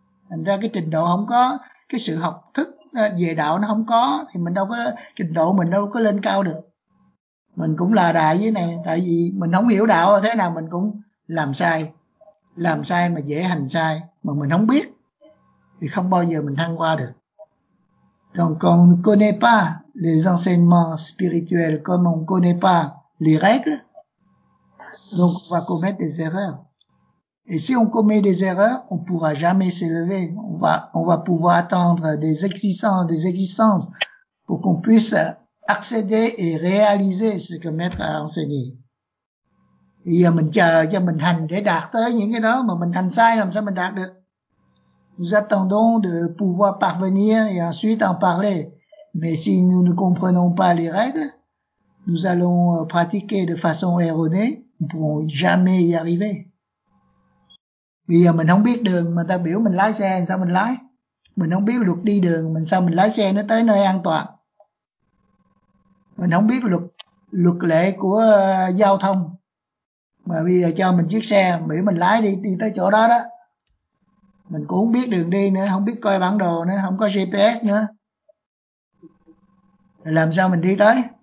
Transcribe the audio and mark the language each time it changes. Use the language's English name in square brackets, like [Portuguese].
[Vietnamese] Thành ra cái trình độ không có, cái sự học thức về đạo nó không có thì mình đâu có, trình độ mình đâu có lên cao được. Mình cũng là đại với này, tại vì mình không hiểu đạo thế nào mình cũng làm sai. Làm sai mà dễ hành sai, mà mình không biết thì không bao giờ mình thăng qua được. [French] Donc on ne connaît pas les enseignements spirituels comme on ne connaît pas les règles, donc on va commettre des erreurs. Et si on commet des erreurs, on ne pourra jamais s'élever. On va pouvoir attendre des existences pour qu'on puisse accéder et réaliser ce que maître a enseigné. [Vietnamese] Bây giờ mình chờ cho mình hành để đạt tới những cái đó mà mình hành sai làm sao mình đạt được. [French] Nous attendons de pouvoir parvenir et ensuite en parler. Mais si nous ne comprenons pas les règles, nous allons pratiquer de façon erronée, nous ne pourrons jamais y arriver. [Vietnamese] Bây giờ mình không biết đường mà ta biểu mình lái xe làm sao mình lái. Mình không biết luật đi đường mình sao mình lái xe nó tới nơi an toàn. Mình không biết luật lệ của giao thông mà bây giờ cho mình chiếc xe miễn mình lái đi tới chỗ đó mình cũng không biết đường đi nữa, không biết coi bản đồ nữa, không có GPS nữa, làm sao mình đi tới?